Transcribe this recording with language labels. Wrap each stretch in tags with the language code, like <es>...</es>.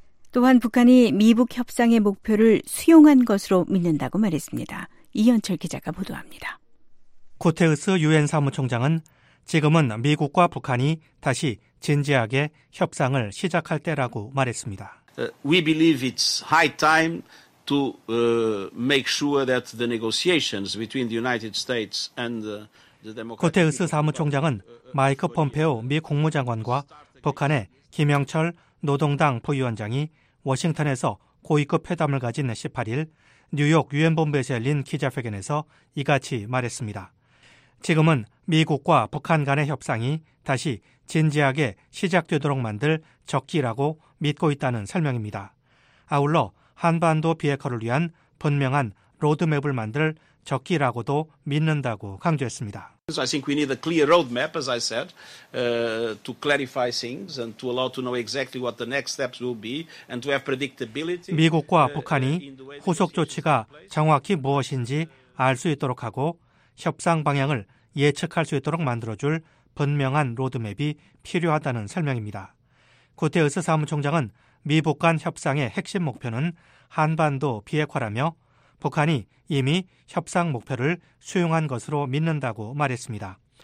<ko>또한 북한이 미북 협상의 목표를 수용한 것으로 믿는다고 말했습니다. 이현철 기자가 보도합니다. 구테흐스 유엔 사무총장은 지금은 미국과 북한이 다시 진지하게 협상을 시작할 때라고 말했습니다.</ko> <en>We believe it's high time to make sure that the negotiations between the United States and the Democratic</en> <ko>구테흐스 사무총장은 마이크 폼페오 미 국무장관과 북한의 김영철 노동당 부위원장이 워싱턴에서 고위급 회담을 가진 18일 뉴욕 유엔 본부에서 열린 기자회견에서 이같이 말했습니다. 지금은 미국과 북한 간의 협상이 다시 진지하게 시작되도록 만들 적기라고 믿고 있다는 설명입니다. 아울러 한반도 비핵화를 위한 분명한 로드맵을 만들 적기라고도 믿는다고 강조했습니다.</ko> <en>So I think we need a clear roadmap, as I said, to clarify things and to allow to know exactly what the next steps will be and to have predictability.</en> <ko>미국과 북한이 후속 조치가 정확히 무엇인지 알 수 있도록 하고 협상 방향을 예측할 수 있도록 만들어줄 분명한 로드맵이 필요하다는 설명입니다. 구테흐스 사무총장은 미북 간 협상의 핵심 목표는 한반도 비핵화라며 북한이 이미 협상 목표를 수용한 것으로 믿는다고 말했습니다.</ko>